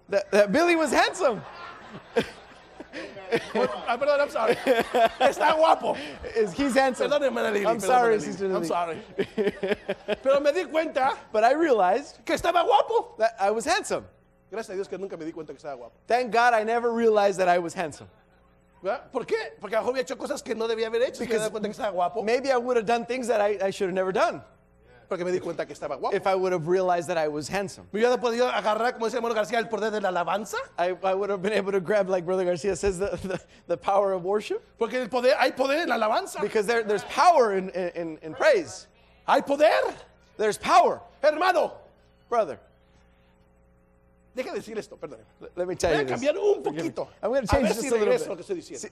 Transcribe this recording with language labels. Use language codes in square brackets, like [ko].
[en] That Billy was handsome. [es] Perdón, [en] I'm sorry. [es] Está guapo. [en] He's handsome. [es] Perdón, hermana Lili. [en] I'm sorry, sister Lili. I'm sorry. [es] Pero me di cuenta. [en] But I realized. [es] Que estaba guapo. [en] That I was handsome. [es] Gracias a Dios que nunca me di cuenta que estaba guapo. [en] Thank God I never realized that I was handsome. [es] ¿Por qué? Porque a lo mejor había hecho cosas que no debía haber hecho. Because si me di cuenta que estaba guapo. [en] Maybe I would have done things that I should have never done. [es] Porque me di cuenta que estaba guapo. [en] If I would have realized that I was handsome. [es] Me hubiera podido agarrar, como dice hermano García, el poder de la alabanza. [en] I would have been able to grab, like Brother García says, the power of worship. [es] Porque el poder, hay poder en la alabanza. [en] Because there's power in praise. [es] Hay poder. [en] There's power. [es] Hermano. [en] Brother. [es] Deja decir esto, perdón. [en] Let me tell you this. [es] Voy a cambiar un poquito. [en] I'm going to change this [es] a [en] little bit. [es] A ver si regreso lo que estoy diciendo.